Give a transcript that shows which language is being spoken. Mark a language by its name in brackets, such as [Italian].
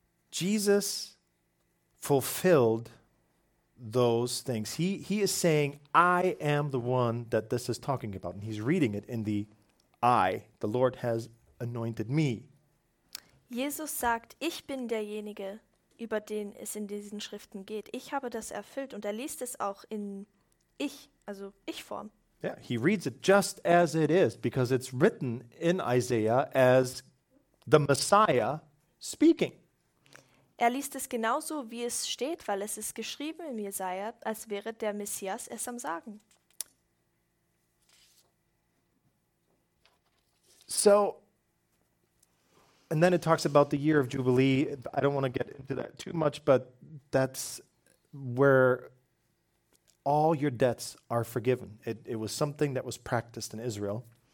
[English] Jesus fulfilled those things. He is saying, I am the one that this is talking about. And he's reading it in the I. The Lord has anointed me. [German] Jesus sagt, ich bin derjenige, über den es in diesen Schriften geht. Ich habe das erfüllt. Und liest es auch in ich, also Ich-Form. [English] Yeah, he reads it just as it is, because it's written in Isaiah as the Messiah speaking. [German] Liest es genauso, wie es steht, weil es ist geschrieben in Jesaja, als wäre der Messias es am Sagen. [English] So, and then it talks about the year of Jubilee. I don't want to get into that too much, but that's where all your debts are forgiven. It was something that was practiced in Israel.